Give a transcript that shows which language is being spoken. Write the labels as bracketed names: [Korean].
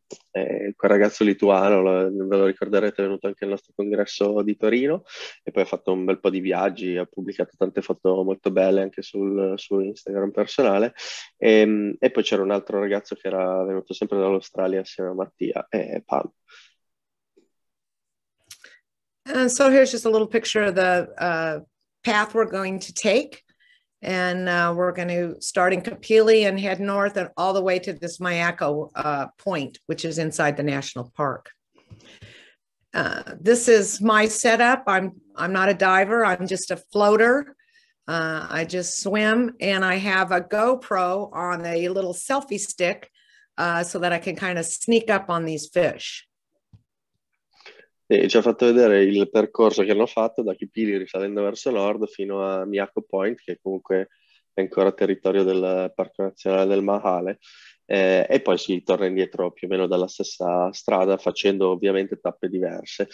[Italian] è quel ragazzo lituano, ve lo ricorderete, è venuto anche al nostro congresso di Torino e poi ha fatto un bel po' di viaggi, ha pubblicato tante foto molto belle anche su Instagram personale, e poi c'era un altro ragazzo che era venuto sempre dall'Australia assieme a Mattia e Pam. [English] And so here's just a little picture of the path we're going to take. And we're going to start in Kapili and head north and all the way to this Mayako point, which is inside the national park. This is my setup. I'm not a diver. I'm just a floater. I just swim, and I have a GoPro on a little selfie stick so that I can kind of sneak up on these fish. [Italian] E ci ha fatto vedere il percorso che hanno fatto da Kipili risalendo verso nord fino a Miyako Point, che comunque è ancora territorio del Parco Nazionale del Mahale, e poi si torna indietro più o meno dalla stessa strada, facendo ovviamente tappe diverse.